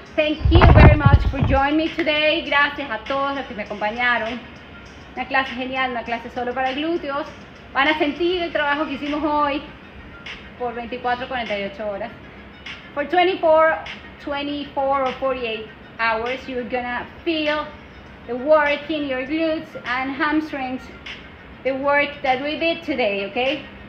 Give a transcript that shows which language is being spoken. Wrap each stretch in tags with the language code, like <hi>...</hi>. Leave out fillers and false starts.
<en>Thank you very much for joining me today.</en> <es>Gracias a todos los que me acompañaron. Una clase genial, una clase solo para glúteos. Van a sentir el trabajo que hicimos hoy por 24-48 horas.</es> <en>For 24 or 48 hours, you're gonna feel the work in your glutes and hamstrings, the work that we did today, okay?</en>